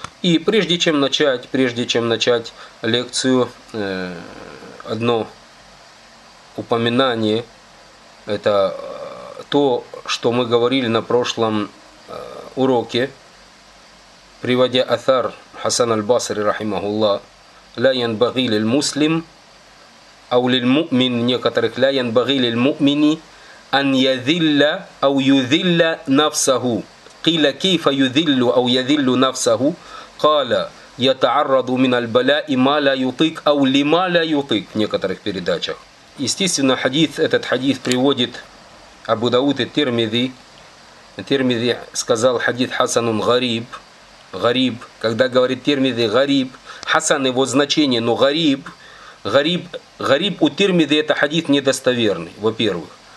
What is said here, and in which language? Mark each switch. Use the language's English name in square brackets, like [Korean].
[Russian] И прежде чем начать лекцию, одно упоминание, это то, что мы говорили на прошлом уроке, приводя Атар Хасан аль-Басри, рахимахуллах, [Arabic] لا ينبغي للمسلم أو للمؤمن يكترك لا ينبغي للمؤمن أن يذل أو يذل نفسه. قيل كيف يذل أو يذل نفسه؟ قال يتعرض من البلاء ما لا يطيق أو لما لا يطيق. [Russian] في некоторых передачах. Естественно, хадис, этот хадис приводит Абу Дауд и Тирмизи. Тирмизи сказал хадис Хасанун Гариб. Гариб. Когда говорит Тирмизи Гариб, Хасан, его значение, но гариб у Тирмизи, это хадис недостоверный, во-первых.